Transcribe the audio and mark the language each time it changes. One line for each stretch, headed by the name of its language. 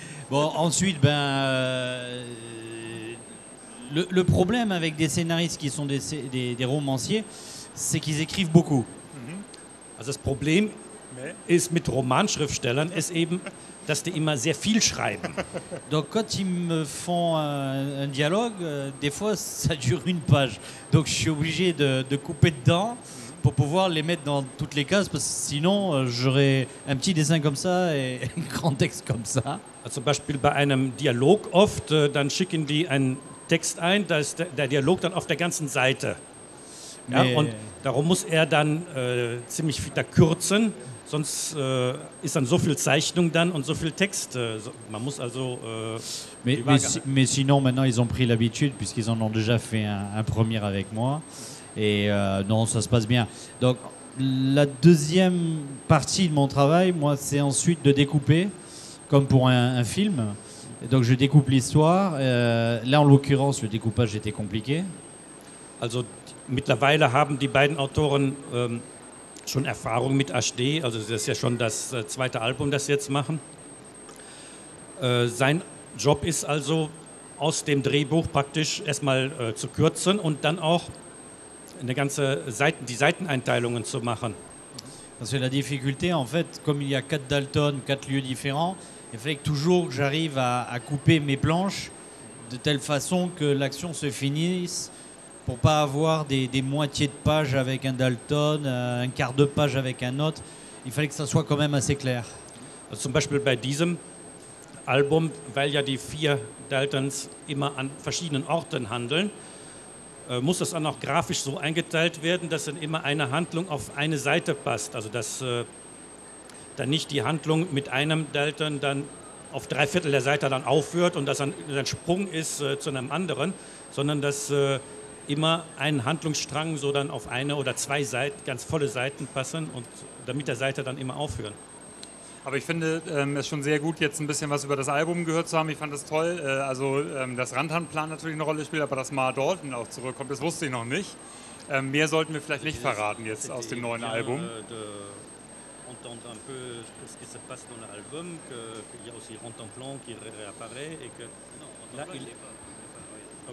French: Bon, ensuite, le problème avec des scénaristes qui sont des romanciers, c'est qu'ils écrivent beaucoup.
German: Also das Problem ist mit Romanschriftstellern, ist eben, dass die immer sehr viel schreiben.
French: Donc quand ils me font un dialogue, des fois ça dure une page. Donc je suis obligé de couper dedans pour pouvoir les mettre dans toutes les cases, parce que sinon j'aurais un petit dessin comme ça et un grand texte comme ça.
German: Zum Beispiel bei einem Dialog oft, dann schicken die einen Text ein, da ist der Dialog dann auf der ganzen Seite. Ja, und darum muss dann ziemlich viel da kürzen, sonst ist dann so viel Zeichnung dann und so viel Text. Man muss also.
French: Mais sinon, maintenant, ils ont pris l'habitude, puisqu'ils en ont déjà fait un premier avec moi. Et non, ça se passe bien. Donc, la deuxième partie de mon travail, moi, c'est ensuite de découper, comme pour un film. Donc, je découpe l'histoire. Là, en l'occurrence, le découpage était compliqué.
German: Also, mittlerweile haben die beiden Autoren schon Erfahrung mit Ashdee, also das ist ja schon das zweite Album, das sie jetzt machen. Sein Job ist also, aus dem Drehbuch praktisch erstmal zu kürzen und dann auch eine ganze die Seiteneinteilungen zu machen.
French: Parce que la difficulté, en fait, comme il y a quatre Dalton, quatre lieux différents, il fallait que toujours que j'arrive à couper mes planches de telle façon que l'action se finisse. Pour ne pas avoir des moitiés de pages avec un Dalton, un quart de page avec un autre, il fallait que ça soit quand même assez clair.
German: Also zum Beispiel bei diesem Album, weil ja die vier Daltons immer an verschiedenen Orten handeln, muss das dann auch grafisch so eingeteilt werden, dass dann immer eine Handlung auf eine Seite passt. Also dass dann nicht die Handlung mit einem Dalton dann auf drei Viertel der Seite dann aufhört und das dann ein Sprung ist zu einem anderen, sondern dass immer einen Handlungsstrang so dann auf eine oder zwei Seiten, ganz volle Seiten passen und damit der Seite dann immer aufhören. Aber ich finde es schon sehr gut, jetzt ein bisschen was über das Album gehört zu haben. Ich fand das toll. Also das Randhandplan natürlich eine Rolle spielt, aber dass Ma Dalton auch zurückkommt, das wusste ich noch nicht. Mehr sollten wir vielleicht nicht verraten jetzt aus dem neuen Album.
French: Entendre un peu ce qui se passe dans l'album, qu'il y a aussi Randhandplan qui réapparaît et que là il est pas.